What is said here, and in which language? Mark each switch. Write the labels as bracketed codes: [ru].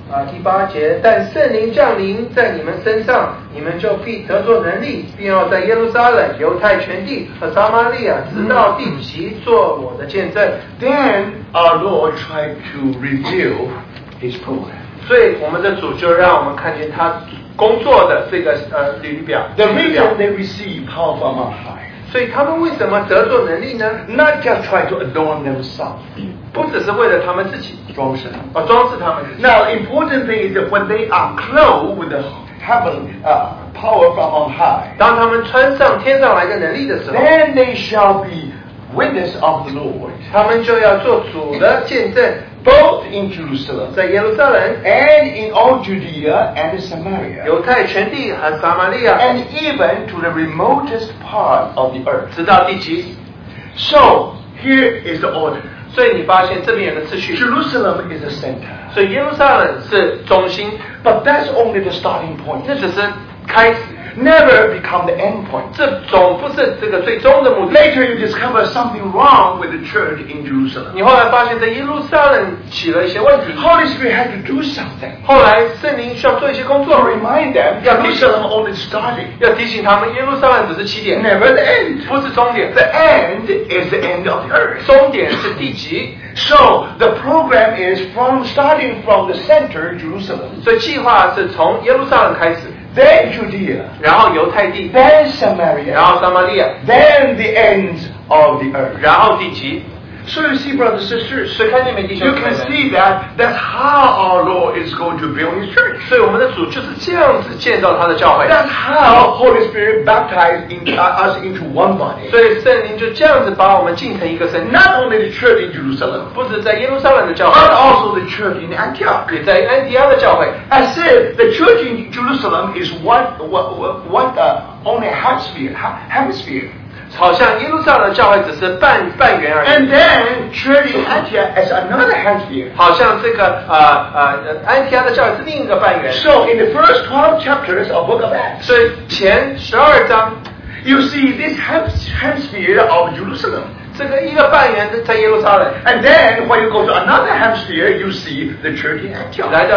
[zh] 第八节，但圣灵降临在你们身上，你们就必得着能力，并要在耶路撒冷、犹太全地和撒玛利亚，直到地极，做我的见证。 [en] Then our Lord tried to reveal His program. [zh] 所以我们的主就让我们看见他工作的这个履历表。 [en] The reason they receive power from on high. [zh] 所以他们为什么得着能力呢 [en] ？Not just try to adorn themselves. [zh] 不只是为了他们自己装饰，装饰他们自己。 [en] Now, important thing is that when they are clothed with the heaven, power from on high, [zh] 当他们穿上天上来的能力的时候 [en] then they shall be witness of the Lord. [zh] 他们就要做主的见证 [en] both in Jerusalem, [zh] 在耶路撒冷 [en] and in all Judea and Samaria, [zh] 犹太全地和撒玛利亚 [en] and even to the remotest part of the earth, [zh] 直到地极。 [en] So, here is the order. [zh] 所以你发现这边有个次序。 [en] Jerusalem is the center. [zh] 所以耶路撒冷是中心。 [en] But that's only the starting point. [zh] 那只是开始。 [en] Never become the end point. [zh] 这总不是这个最终的目的。 [en] Later you discover something wrong with the church in Jerusalem. [zh] 你后来发现在耶路撒冷起了一些问题。 [en] Holy Spirit had to do something. [zh] 后来圣灵需要做一些工作。 [en] To remind them, Jerusalem only starting. [zh] 要提醒他们耶路撒冷只是起点。 [en] Never the end. [zh] 不是终点。 [en] The end is the end of the earth. [zh] 终点是地极。 [en] So the program is from starting from the center, Jerusalem. [zh] 所以计划是从耶路撒冷开始。 [en] Then Judea, [zh] 然后犹太地 [en] then Samaria, [zh] 然后撒玛利亚 [en] then the ends of the earth, [zh] 然后地极 [en] So you see, brothers and sisters, [zh] 所以看见没弟兄姊妹 [en] you can see that's how our Lord is going to build His church. [zh] 所以我们的主就是这样子建造他的教会 [en] That's how Holy Spirit baptized us into one body. [zh] 所以圣灵就这样子把我们浸成一个身体 [en] Not only the church in Jerusalem, [zh] 不止在耶路撒冷的教会 [en] but also the church in Antioch, [zh] 也在安提阿的教会 [en] As if the church in Jerusalem is only hemisphere. [zh] 好像耶路撒冷教会只是半圆而已。 [en] And then church in Antioch is another hemisphere. [zh] 好像这个安提阿的教会是另一个半圆。 [en] So in the first 12 chapters of Book of Acts. [zh] 所以前十二章 [en] you see this hemisphere of Jerusalem. And then when you go to another hemisphere, you see the church in Antioch.